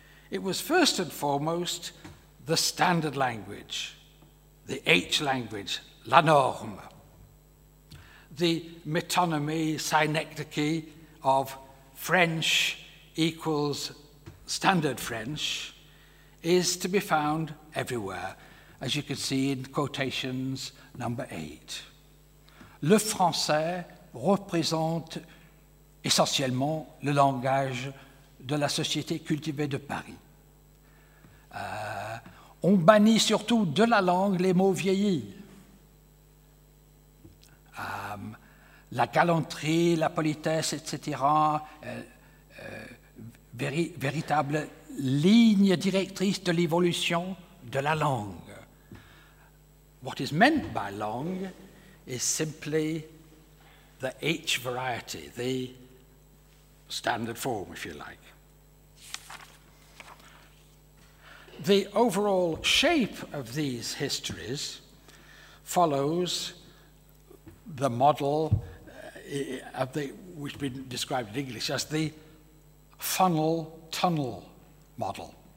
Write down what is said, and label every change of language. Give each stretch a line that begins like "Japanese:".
English: It was first and foremost the standard language, the H language, la norme, the metonymy, synecdoche of French equals standard French is to be found everywhere, as you can see in quotations number 8.
French: Le français représente essentiellement le langage de la société cultivée de Paris. On bannit surtout de la langue les mots vieillis. La galanterie, la politesse, etc., véritable ligne directrice de l'évolution de la langue.
English: What is meant by langue is simply the H variety, the standard form, if you like. The overall shape of these histories follows the model which has been described in English as the funnel-tunnel model.